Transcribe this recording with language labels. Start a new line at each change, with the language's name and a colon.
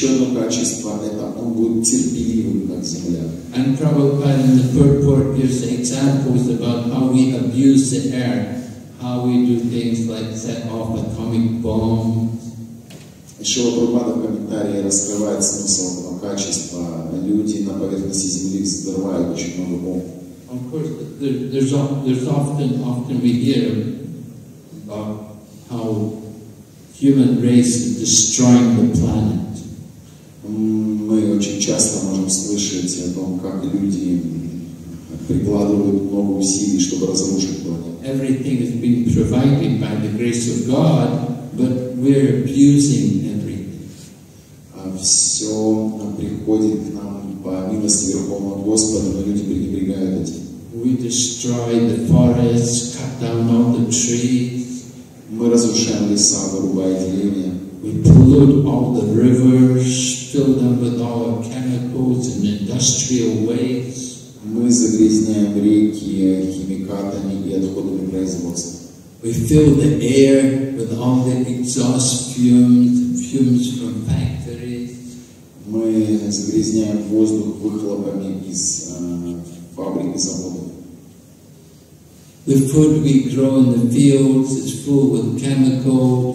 Russian: И еще одно качество — это он будет терпеливым, как земля.
English: And Prabhupada in the purport gives examples about how we abuse the earth, how we do things like set off atomic bombs.
Russian: Еще Прабхупада в комментарии раскрывает смысл этого качества. Люди на поверхности земли взрывают очень много бомб.
English: Of course, there's often we hear about how human race is destroying the planet.
Russian: Мы очень часто можем слышать о том, как люди прикладывают много усилий, чтобы разрушить планету.
English: Everything has been provided by the grace of God, but we're abusing everything.
Russian: Все приходит к нам по милости Верховного Господа, но люди пренебрегают этим.
English: We destroy the forests, cut down all the trees.
Russian: Мы разрушаем леса, вырубая деревья.
English: We pollute all the rivers, fill them with all our chemicals and industrial waste.
Russian: Мы загрязняем реки химикатами и отходами производства.
English: We fill the air with all the exhaust fumes from factories.
Russian: Мы загрязняем воздух выхлопами из фабрик и заводов.
English: The food we grow in the fields is full with chemicals.